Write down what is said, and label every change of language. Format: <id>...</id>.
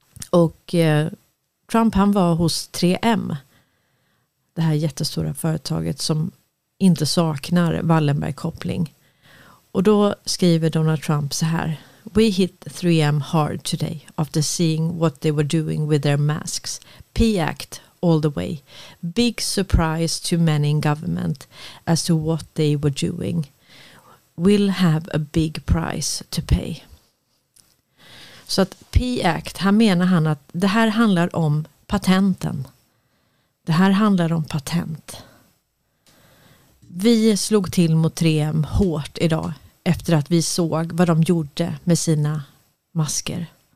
<sv>Och Trump, han var hos 3M, det här jättestora företaget som inte saknar Wallenberg-koppling. Och då skriver Donald Trump så här:</sv> <en>"We hit 3M hard today after seeing what they were doing with their masks. P-Act all the way. Big surprise to many in government as to what they were doing. We'll have a big price to pay."</en> <sv>Så att P-Act, här menar han att det här handlar om patenten. Det här handlar om patent. Vi slog till mot 3M hårt idag. Efter att vi såg vad de gjorde med sina masker.</sv>